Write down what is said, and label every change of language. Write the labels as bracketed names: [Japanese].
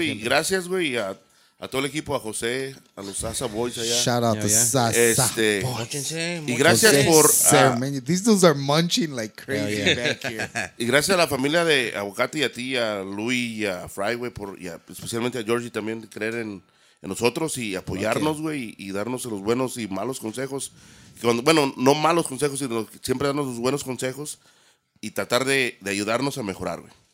[Spanish] Y gracias, güey, a todo el equipo, a José, a los Sasa Boys allá. [English] Shout out to Sasa. [Spanish] Este, y gracias José por... [English] Man, these dudes are munching like crazy back here. [Spanish] Y gracias a la familia de Aguacate y a ti, a Luis y a Fry, güey, y a, especialmente a Georgie también, creer en nosotros y apoyarnos, güey, y darnos los buenos y malos consejos. No malos consejos, sino siempre darnos los buenos consejos y tratar de ayudarnos a mejorar, güey.